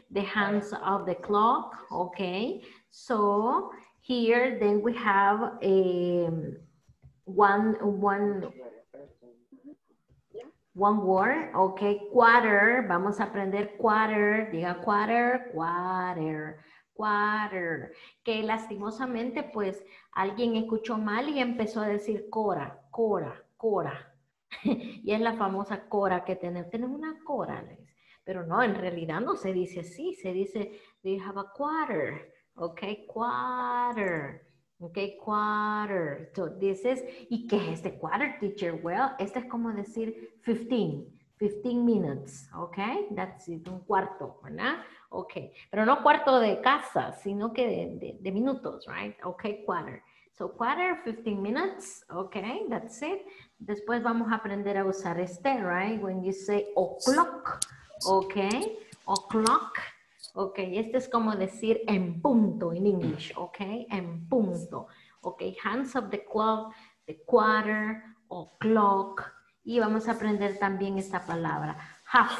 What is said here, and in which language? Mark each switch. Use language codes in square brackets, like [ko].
[en] The hands of the clock, okay? So here then we have a one word, okay? [es] Quarter, vamos a aprender quarter, diga quarter, quarter, quarter, que lastimosamente pues alguien escuchó mal y empezó a decir cora, cora, cora. Y es la famosa cora que tenemos. Tenemos una cora, Alex. Pero no, en realidad no se dice así. Se dice, [en] we have a quarter. Ok, quarter. Ok, quarter. So this is, [es] ¿y qué es este [en] quarter, teacher? [es] Well, este es como decir 15. [en] 15 minutes. Ok, that's it. [es] Un cuarto, ¿verdad? Ok, pero no cuarto de casa, sino que de minutos, right? [en] Ok, quarter. So quarter, 15 minutes, okay, that's it. [es] Después vamos a aprender a usar este, [en] right? When you say o'clock, okay, o'clock, okay. [es] Este es como decir en punto [en] in English, [es] okay, en punto. [en] Okay, hands of the clock, the quarter, o'clock. [es] Y vamos a aprender también esta palabra, half.